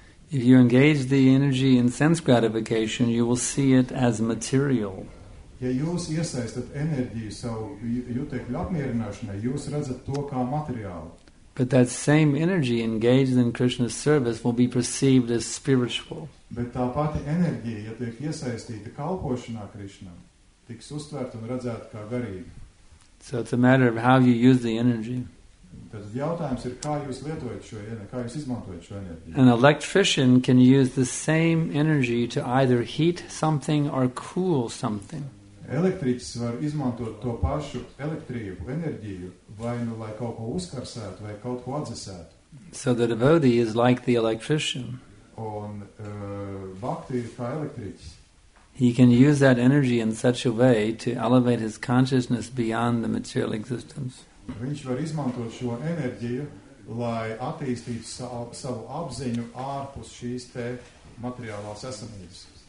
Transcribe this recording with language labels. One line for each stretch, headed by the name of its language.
English: If you engage the energy in sense gratification, you will see it as material.
Latvian: Ja jūs iesaistot enerģiju savu jūtekļu apmierināšanai, jūs redzat to kā materiālu.
English: But that same energy engaged in Krishna's service will be perceived as spiritual.
Latvian: Bet tā pati enerģija, ja tiek iesaistīta kalpošanā Krishnam, tiks uztvērta un redzēta kā garīga.
English: So it's a matter of how you use the energy.
Latvian: Tad jautājums ir, kā jūs lietojat šo enerģiju, kā jūs izmantojat šo enerģiju.
English: An electrician can use the same energy to either heat something or cool something.
Latvian: Elektriķis var izmantot to pašu elektrību, enerģiju, vai nu, lai kaut ko uzkarsētu, vai kaut ko atdzesētu.
English: So the devotee is like the electrician.
Latvian: Un bhakti ir kā elektriķis.
English: He can use that energy in such a way to elevate his consciousness beyond the material existence.
Latvian: Viņš var izmantot šo enerģiju, lai attīstītu savu apziņu ārpus šīs te materiālās esamības.